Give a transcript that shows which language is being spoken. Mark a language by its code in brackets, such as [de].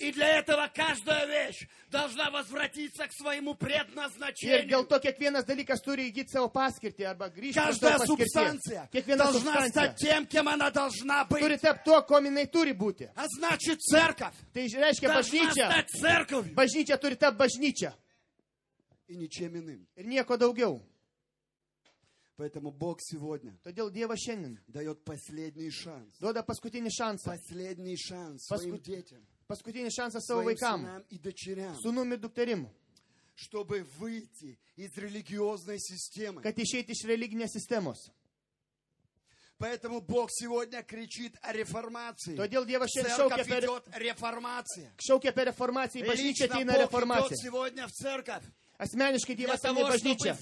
[ru] И для этого каждая вещь должна возвратиться к своему предназначению. [lt] Ir dėl to kiekvienas dalykas turi įgyti savo paskirtį arba grįžti į savo paskirtį. Kiekviena [ru] substancija должна стать тем, кем она должна быть. [lt] Turi tapti to, kuo jinai turi būti. [ru] А значит, церковь. [lt] Tai reiškia bažnyčia. [ru] Должна стать церковью. [lt] Bažnyčia turi tapti bažnyčia. [ru] И ничем иным. [lt] Ir nieko daugiau. [ru] Поэтому Бог сегодня. [lt] Todėl Dievas šiandien [ru] даёт последний шанс. [lt] Duoda paskutinį šansą. [ru] Последний шанс своим детям. [lt] Paskutinį šansą savo vaikam. Sūnum ir dukterim. [ru] Чтобы выйти из религиозной системы. [lt] Kad išeiti iš religinės sistemos. [ru] Поэтому Бог сегодня кричит о реформации. [lt] Todėl Dievas šiandien šaukia apie reformaciją. Šaukia apie reformaciją, bažnyčia ateina reformacija. [ru] Сегодня в церковь. [lt] Asmeniškai Dievas ateina bažnyčia.